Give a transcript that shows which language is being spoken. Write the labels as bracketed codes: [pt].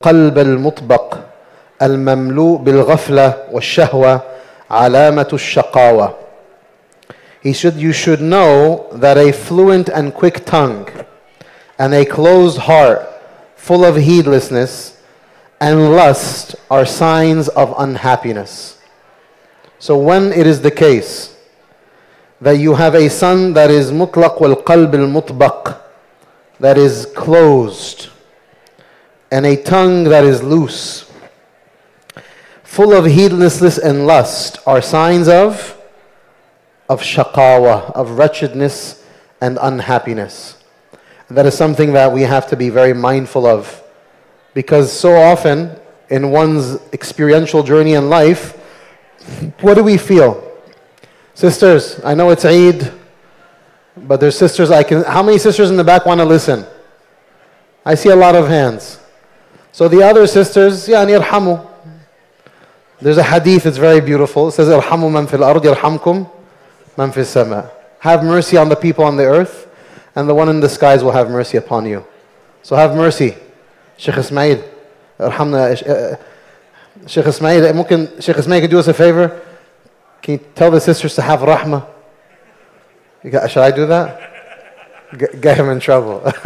[ar] قلب المطبق المملوء بالغفلة والشهوة علامة الشقاوة. [en] He said, you should know that a fluent and quick tongue and a closed heart full of heedlessness and lust are signs of unhappiness. So when it is the case that you have a son that is [ar] mutlaq wal qalb al mutbaq, [en] that is closed, and a tongue that is loose, full of heedlessness and lust, are signs of shaqawa, of wretchedness and unhappiness. And that is something that we have to be very mindful of, because so often in one's experiential journey in life, what do we feel? Sisters, I know it's Eid, but there's sisters, how many sisters in the back want to listen? I see a lot of hands. So the other sisters, [ar] يعني ارحموا. [en] There's a hadith, it's very beautiful. It says, [ar] ارحموا من في الأرض يرحمكم من في السماء. [en] Have mercy on the people on the earth, and the one in the skies will have mercy upon you. So have mercy. Sheikh Ismail, [ar] ارحمنا. [en] Sheikh Ismail, [ar] ممكن [en] Sheikh Ismail can do us a favor? Can you tell the sisters to have rahma? Should I do that? Get him in trouble.